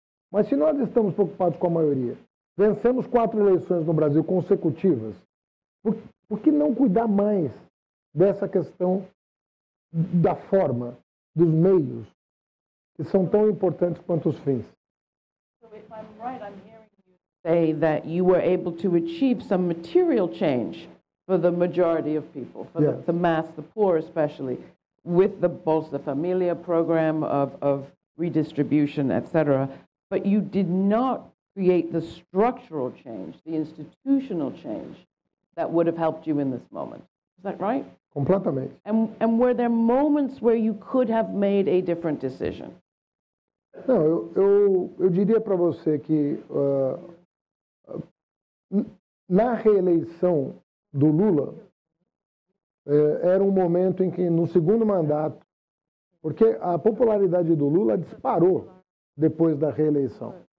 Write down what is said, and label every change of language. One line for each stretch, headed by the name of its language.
Portuguese: Mas se nós estamos preocupados com a maioria, vencemos 4 eleições no Brasil consecutivas, por que não cuidar mais dessa questão da forma, dos meios, que são tão importantes quanto os fins?
English: Say that you were able to achieve some material change for the majority of people, for the mass, the poor especially, with the Bolsa Família program of redistribution, etc. But you did not create the structural change, the institutional change that would have helped you in this moment. Is that right?
Portuguese: Completamente.
English: And were there moments where you could have made a different decision?
Portuguese: Não, eu diria para você que na reeleição do Lula, era um momento em que, no segundo mandato, porque a popularidade do Lula disparou depois da reeleição.